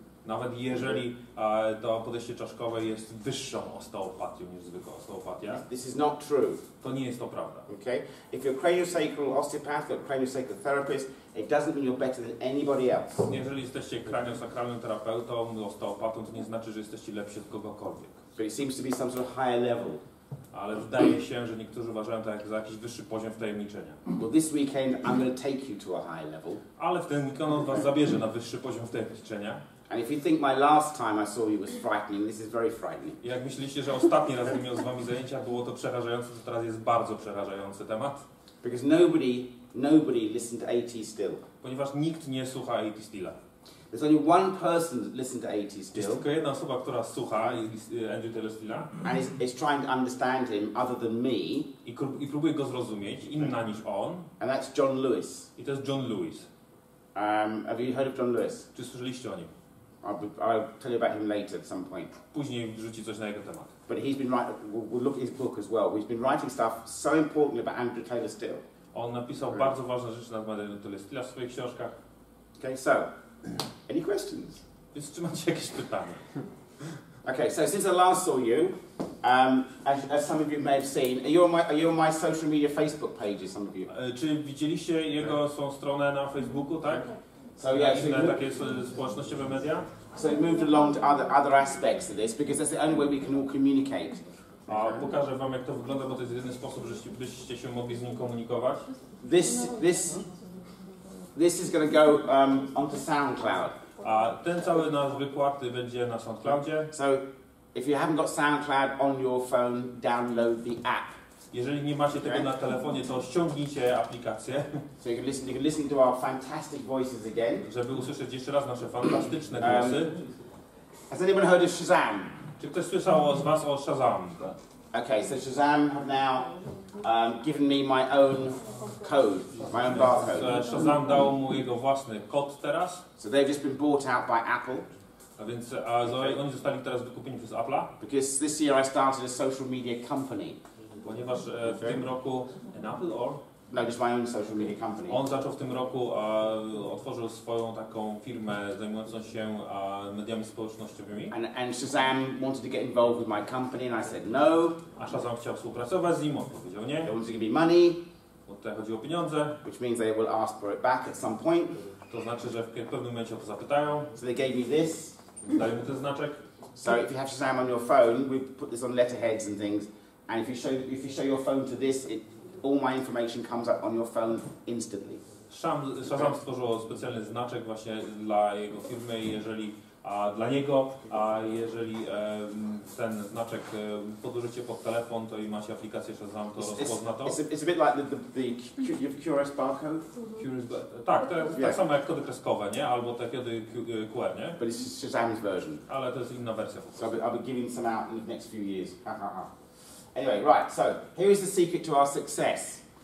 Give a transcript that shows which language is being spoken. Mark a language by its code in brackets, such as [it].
[pl] Nawet jeżeli to podejście czaszkowe jest wyższą osteopatią niż zwykła osteopatia. [en] This is not true. [pl] To nie jest to prawda. [en] Okay? If you're a craniosacral osteopath or craniosacral therapist, it doesn't mean you're better than anybody else. [pl] Jeżeli jesteście kraniosakralnym terapeutą, osteopatą, to nie znaczy, że jesteście lepsi od kogokolwiek. [en] But it seems to be some sort of higher level. [pl] Ale wydaje się, że niektórzy uważają to za jakiś wyższy poziom wtajemniczenia. [en] Well, this weekend I'm going to take you to a higher level. [pl] Ale w ten weekend on was zabierze na wyższy poziom wtajemniczenia. [en] And if you think my last time I saw you was frightening, this is very frightening. [pl] Jak myśleliście, że ostatni raz, gdy miał z wami zajęcia, było to przerażające, to teraz jest bardzo przerażający temat. [en] Because nobody listened to AT still. [pl] Ponieważ nikt nie słucha AT Stilla. [en] There's only one person that listened to AT still. [pl] Jest tylko jedna osoba, która słucha Andrew Taylor Stilla. [en] And is trying to understand him other than me. [pl] I próbuje go zrozumieć, inna niż on. [en] And that's John Lewis. [pl] I to jest John Lewis. [en] Have you heard of John Lewis? [pl] Czy słyszeliście o nim? [en] I'll tell you about him later at some point. [pl] Później wrzuci coś na jego temat. [en] But he's been writing, we'll look at his book as well. He's been writing stuff so important about Andrew Taylor Still. [pl] On napisał bardzo ważne rzeczy na temat Andrew Taylor Stilla w swoich książkach. [en] Okay, so, any questions? [pl] Więc czy macie jakieś pytania? [en] Okay, so since I last saw you, as some of you may have seen, are you on my social media Facebook pages, some of you? [pl] Czy widzieliście jego swoją stronę na Facebooku, tak? [en] So yeah, so [pl] inne takie społecznościowe media. [en] So it moved along to other aspects of this because that's the only way we can all communicate. [pl] Pokażę wam, jak to wygląda, bo to jest jedyny sposób, żebyście się mogli z nim komunikować. [en] This is going to go onto SoundCloud. [pl] A ten cały nasz wykład będzie na SoundCloudzie. [en] So if you haven't got SoundCloud on your phone, download the app. [pl] Jeżeli nie macie tego na telefonie, to ściągnijcie aplikację. [en] So you can listen to our fantastic voices again. [pl] Żeby usłyszeć jeszcze raz nasze fantastyczne głosy. [en] Has anyone heard of Shazam? [pl] Czy ktoś słyszał z was o Shazam? [en] Okay, so Shazam have now given me my own code, my own barcode. [pl] Shazam dał mu jego własny kod teraz. [en] So they've just been bought out by Apple. [pl] A więc oni zostali teraz wykupieni przez Apple. [en] Because this year I started a social media company. [pl] Ponieważ w tym roku [en] an Apple or no, just my own social media company. [pl] On zaczął w tym roku otworzył swoją taką firmę zajmującą się mediami społecznościowymi. [en] And Shazam wanted to get involved with my company, and I said no. [pl] A Shazam chciał współpracować z nim, on powiedział nie. [en] They wanted to give me money. [pl] Bo tutaj chodzi o pieniądze. [en] Which means they will ask for it back at some point. [pl] To znaczy, że w pewnym momencie o to zapytają. [en] So they gave me this. [pl] Dali mu ten znaczek. [en] So if you have Shazam on your phone, we put this on letterheads and things. And if you show your phone to this, it all my information comes up on your phone instantly. [pl] Shazam stworzył specjalny znaczek właśnie dla jego firmy, jeżeli dla niego, a jeżeli ten znaczek podłożycie pod telefon, to i macie aplikację Shazam, to rozpozna to. [en] It's a bit like the QRS barcode. [pl] Tak, tak samo jak kody kreskowe, nie? Albo te kody QR, nie? [en] But it's Shazam's version. [pl] Ale to jest inna wersja. [en] So I'll be giving some out in the next few years. Anyway, right, so here is the secret to our success.